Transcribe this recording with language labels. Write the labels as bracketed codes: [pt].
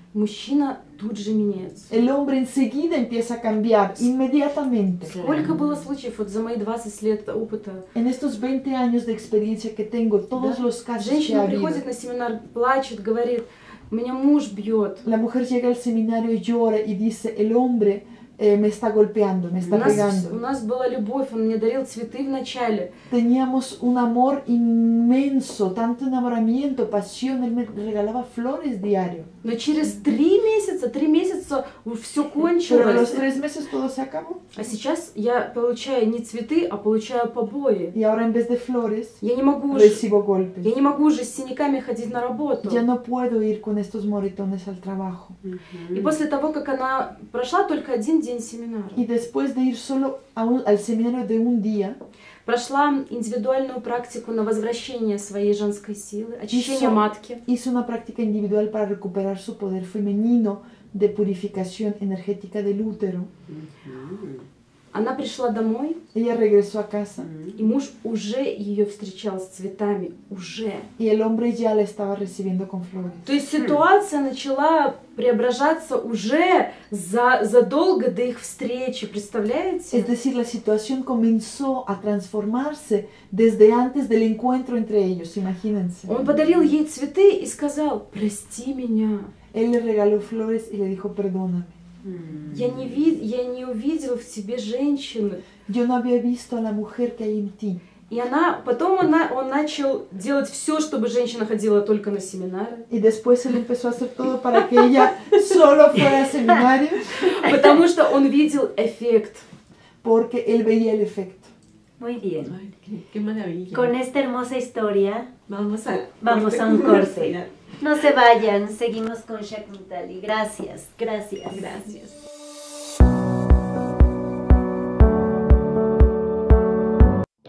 [ru] Мужчина тут же меняется. [es] El hombre enseguida empieza a cambiar, inmediatamente. [ru] Сколько было случаев вот за мои 20 лет опыта? [es] En estos 20 años de experiencia que tengo, todos los casos. [ru] Женщина приходит на семинар, плачет, говорит, меня муж бьет. [es] La mujer llega al seminario, llora y dice, el hombre me está golpeando, me está pegando. [ru] У нас была любовь, он мне дарил цветы в начале. [es] Teníamos un amor inmenso, tanto enamoramiento, pasión, él me regalaba flores diario. [ru] Но через три месяца все кончилось. [es] Pero a los tres meses todo se acabó. [ru] А сейчас я получаю не цветы, а получаю побои. [es] Y ahora en vez de flores, [ru] я не могу [es] recibo golpes. [ru] Я не могу уже с синяками ходить на работу. [es] Ya no puedo ir con estos moretones al trabajo. [ru] И после того, как она прошла только один день семинара. [es] Y después de ir solo al seminario de un día, [ru] прошла индивидуальную практику на возвращение своей женской силы, очищение матки. [es] Hizo una práctica individual para recuperar su poder femenino de purificación energética del útero. [ru] Она пришла домой. [es] Ella regresó a casa. [ru] И муж уже ее встречал с цветами, уже. [es] Y el hombre ya la estaba recibiendo con flores. [ru] То есть ситуация начала преображаться уже задолго до их встречи, представляете? [es] Es decir, la situación comenzó a transformarse desde antes del encuentro entre ellos, imagínense. [ru] Он подарил ей цветы и сказал, прости меня. [es] Él le regaló flores y le dijo, perdóname. [ru] Я не увидел в себе женщину. [es] Yo no había visto a la mujer que hay en ti. [ru] И она, потом она, он начал делать все, чтобы женщина ходила только на семинары. [es] И después él empezó a hacer todo para que ella solo fuera a seminarios. [ru] Потому что он видел эффект. [es] Porque él veía el efecto. Muy bien. Qué maravilla. Con esta hermosa historia. Vamos a un corte. No se vayan, seguimos con Shakuntali. Gracias, gracias. Gracias.